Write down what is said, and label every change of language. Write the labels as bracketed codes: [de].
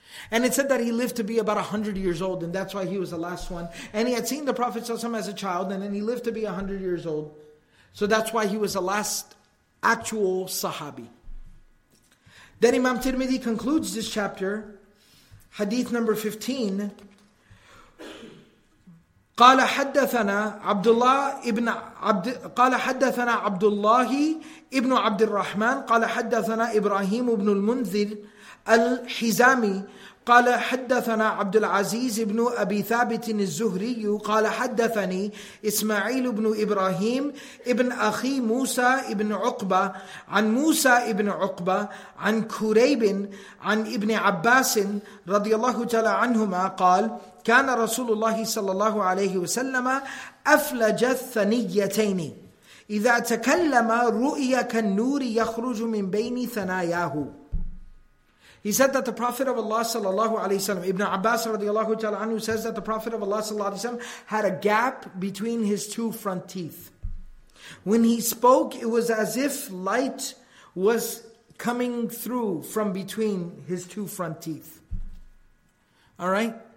[en] And it said that he lived to be about 100 years old, and that's why he was the last one. And he had seen the Prophet ﷺ as a child, and then he lived to be 100 years old. So that's why he was the last actual Sahabi. Then Imam Tirmidhi concludes this chapter, hadith number 15, [ar] قال حدثنا عبد الله ابن عبد قال حدثنا عبد الله ابن عبد الرحمن قال حدثنا ابراهيم ابن المنذر الحزامي قال حدثنا عبد العزيز ابن ابي ثابت الزهري قال حدثني اسماعيل ابن ابراهيم ابن اخي موسى ابن عقبه عن موسى ابن عقبه عن كريب عن ابن عباس رضي الله تعالى عنهما قال كان رسول الله صلى الله عليه وسلم افلج الثنيتين اذا تكلم رؤيا كالنور يخرج من بين ثناياه. [en] He said that the Prophet of Allah sallallahu alayhi wa sallam, Ibn Abbas radiallahu ta'ala anhu, says that the Prophet of Allah sallallahu alayhi wa sallam had a gap between his two front teeth. When he spoke, it was as if light was coming through from between his two front teeth. Alright?